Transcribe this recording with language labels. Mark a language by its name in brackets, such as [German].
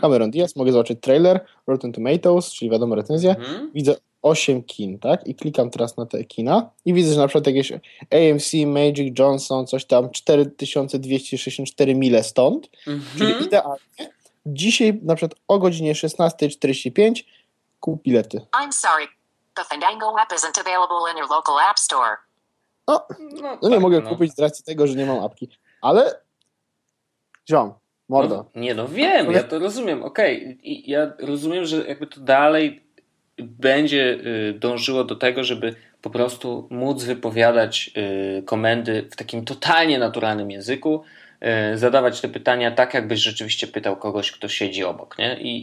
[Polish] Cameron Diaz, mogę zobaczyć trailer, Rotten Tomatoes, czyli wiadomo recenzję. Mm-hmm. Widzę 8 kin, tak? I klikam teraz na te kina i widzę, że na przykład jakieś AMC, Magic Johnson, coś tam, 4264 mile stąd. Mm-hmm. Czyli idealnie. Dzisiaj, na przykład o godzinie 16:45, kup bilety. [English] I'm sorry, the Fandango app isn't available in your local app store. [Polish] No, nie mogę kupić z racji tego, że nie mam apki. Ale, ziom, mordo. Wiem, ja to rozumiem, okej. Okay. Ja rozumiem, że jakby to dalej będzie dążyło do tego, żeby po prostu móc wypowiadać komendy w takim totalnie naturalnym języku, zadawać te pytania tak, jakbyś rzeczywiście pytał kogoś, kto siedzi obok, nie?